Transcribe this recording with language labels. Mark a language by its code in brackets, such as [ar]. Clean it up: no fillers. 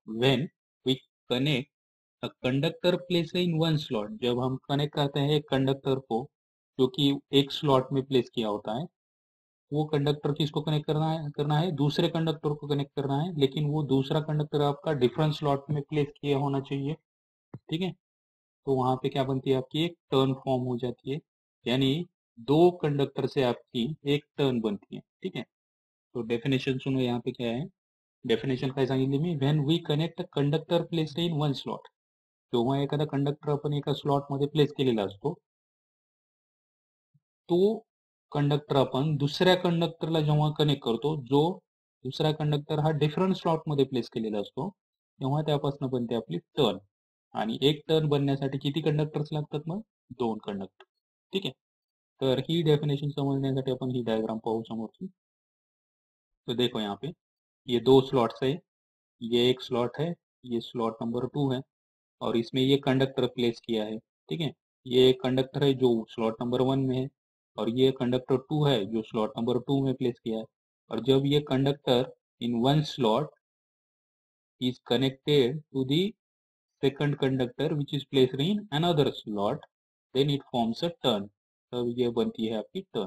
[en] when we connect conductor place in one slot, [hi] जब हम connect करते हैं एक कंडक्टर को जो कि एक स्लॉट में प्लेस किया होता है, वो कंडक्टर किसको कनेक्ट करना है दूसरे कंडक्टर को कनेक्ट करना है, लेकिन वो दूसरा कंडक्टर आपका डिफरेंट स्लॉट में प्लेस किया होना चाहिए. ठीक है, तो वहां पे क्या बनती है, आपकी एक टर्न फॉर्म हो जाती है, यानी दो कंडक्टर से आपकी एक टर्न बनती है. ठीक है, तो डेफिनेशन सुनो यहाँ पे क्या है. [mr] डेफिनेशन काय सांगितली मी, [en] when we connect a conductor placed in one slot, [mr] जेव्हा एखादा कंडक्टर आपण एका स्लॉट मध्ये प्लेस केलेला असतो, तो कंडक्टर आपण दुसऱ्या कंडक्टरला जेव्हा कनेक्ट करतो, जो दुसरा कंडक्टर हा डिफरंट स्लॉट मध्ये प्लेस केलेला असतो, तेव्हा त्यापासून बनते आपली टर्न. आणि एक टर्न बनण्यासाठी किती कंडक्टर्स लागतात, मग दोन कंडक्टर. ठीक आहे, तर ही डेफिनेशन समजण्यासाठी आपण ही डायग्राम पाहू समोरची. [hi] तर देखो यहाँ पे ये दो स्लॉट्स आहे, ये एक स्लॉट है, ये स्लॉट नंबर टू है, और इसमें ये कंडक्टर प्लेस किया है. ठीक है, ये कंडक्टर है जो स्लॉट नंबर वन में है, और ये कंडक्टर टू है जो स्लॉट नंबर टू में प्लेस किया है, और जब ये conductor [en] in one slot is connected to the second conductor which is place in another slot then it forms a turn, [hi] तब ये बनती है आपकी टर्न।